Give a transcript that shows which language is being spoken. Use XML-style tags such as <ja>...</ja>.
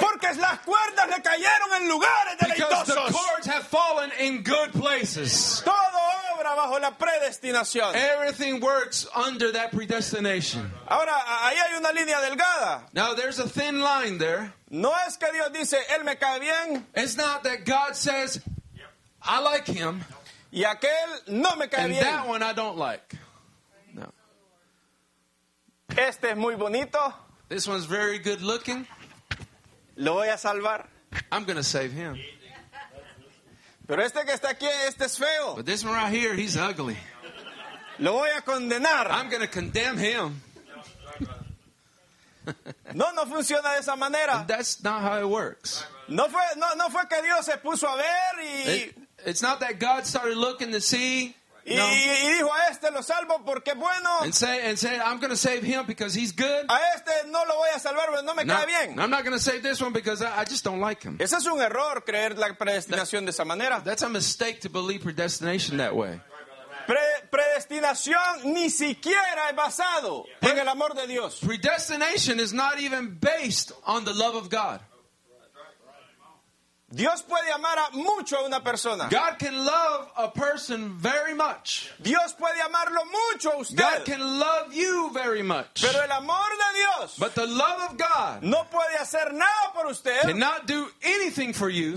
<es>Porque las cuerdas le cayeron en lugares deleitosos.</es> <en>Because the cords have fallen in good places.</en> <es>Todo obra bajo la predestinación.</es> <en>Everything works under that predestination.</en> <es>Ahora, ahí hay una línea delgada.</es> <en>Now there's a thin line there.</en> <es>No es que Dios dice, él me cae bien.</es> <en>It's not that God says, I like him.</en> <es>Y aquel no me cae</es> <en>and</en> <es>bien.</es> <en>And that one I don't like. No.</en> <es>Este es muy bonito.</es> <en>This one's very good looking.</en> <es>Lo voy a salvar.</es> <en>I'm going to save him.</en> <es>Pero este que está aquí, este es feo.</es> <en>But this one right here, he's ugly.</en> <es>Lo voy a condenar.</es> <en>I'm going to condemn him.</en> <es>No, no funciona de esa manera.</es> <en>And that's not how it works.</en> <es>No fue, no fue que Dios se puso a ver y...</es> <en>It's not that God started looking to see...</en> <es>Y dijo, a este lo salvo porque bueno.</es> <en>And say, I'm going to save him because he's good.</en> <es>A este no lo voy a salvar porque no me cae bien.</es> <en>I'm not going to save this one because I just don't like him.</en> <es>Ese es un error, creer la predestinación de esa manera.</es> <en>That's a mistake to believe predestination that way.</en> <es>Predestinación ni siquiera es basado en el amor de Dios.</es> <en>Predestination is not even based on the love of God.</en> <es>Dios puede amar a mucho a una persona.</es> <en>God can love a person very much.</en> <es>Dios puede amarlo mucho a usted.</es> <en>God can love you very much.</en> <es>Pero el amor de Dios,</es> <en>but the love of God,</en> <es>no puede hacer nada por usted,</es> <en>cannot do anything for you,</en>